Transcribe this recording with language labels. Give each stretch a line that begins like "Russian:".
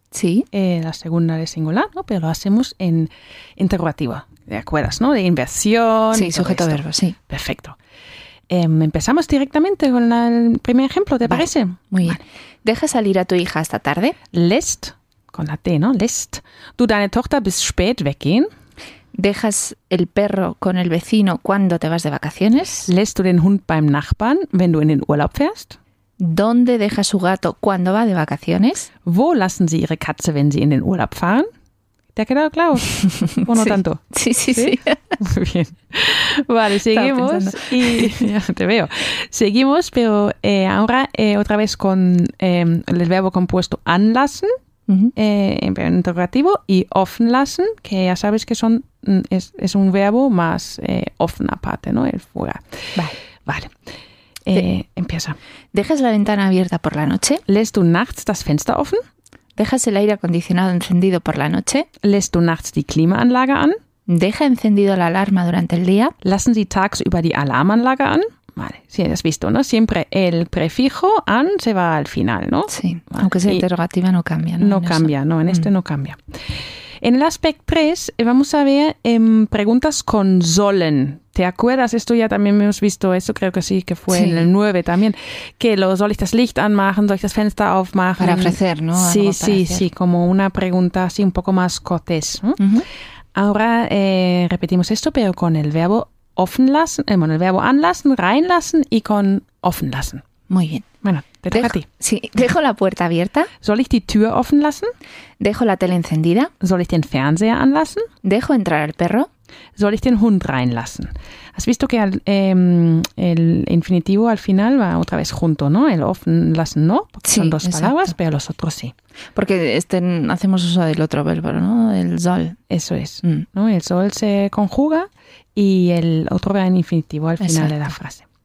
Spanish: Sí. La segunda de singular, ¿no? Pero lo hacemos en interrogativa, ¿te acuerdas, no? De inversión. Sí, sujeto a verbo, sí. Perfecto. Empezamos directamente con el primer ejemplo, ¿te vale, parece? Muy bien. Vale. ¿Dejas salir a tu hija esta tarde? Lässt, con la T, ¿no?
German: Lässt du deine Tochter bis spät weggehen?
Spanish: ¿Dejas el perro con el vecino cuando te vas de vacaciones?
German: Lässt du den Hund beim Nachbarn, wenn du in den Urlaub fährst?
Spanish: ¿Dónde deja su gato cuando va de vacaciones?
German: Wo lassen sie ihre Katze, wenn sie in den Urlaub fahren?
Spanish: ¿Te ha quedado claro? ¿O no sí. tanto? Sí, sí, sí, sí. Muy bien. Vale, seguimos. Y ya te veo. Seguimos, pero ahora otra vez con el verbo compuesto anlassen, uh-huh. En interrogativo, y offenlassen, que ya sabes que es un verbo más offen aparte, ¿no? El fuera. Vale. Vale. Empieza. ¿Dejas la ventana abierta por la noche?
German: ¿Lässt du nachts das Fenster offen?
Spanish: ¿Dejas el aire acondicionado encendido por la noche?
German: ¿Lässt du nachts die Klimaanlage an?
Spanish: ¿Deja encendido la alarma durante el día?
German: ¿Lassen Sie tagsüber die Alarmanlage an?
Spanish: Vale, sí, has visto, ¿no? Siempre el prefijo an se va al final, ¿no? Sí, vale. Aunque sea interrogativa no cambia, ¿no? No cambia, no, en este no cambia. En el aspecto 3 vamos a ver preguntas con sollen. ¿Te acuerdas? Esto ya también hemos visto, eso creo que sí, que fue sí. en el 9 también. Que lo
German: soll ich das Licht anmachen, soll ich das Fenster aufmachen.
Spanish: Para ofrecer, ¿no? Sí, algo sí, hacer. Sí, como una pregunta así un poco más cortés. ¿No? Uh-huh. Ahora repetimos esto, pero con el verbo offenlassen, bueno, el verbo anlassen, reinlassen y con offenlassen. Muy bien. Bueno, te toca a ti. Sí, ¿dejo la puerta abierta?
German: Soll ich die Tür offenlassen?
Spanish: ¿Dejo la tele encendida?
German: Soll ich den Fernseher anlassen?
Spanish: ¿Dejo entrar al perro?
German: soll ich den Hund reinlassen?
Spanish: Has visto que el infinitivo al final va otra vez junto, ¿no? El offen lassen, ¿no? Porque sí, son dos exacto. palabras, pero los otros sí. Porque hacemos uso del otro verbo, ¿no? El soll. Eso es. Mm. ¿No? El soll se conjuga y el otro va en infinitivo al final exacto. de la frase.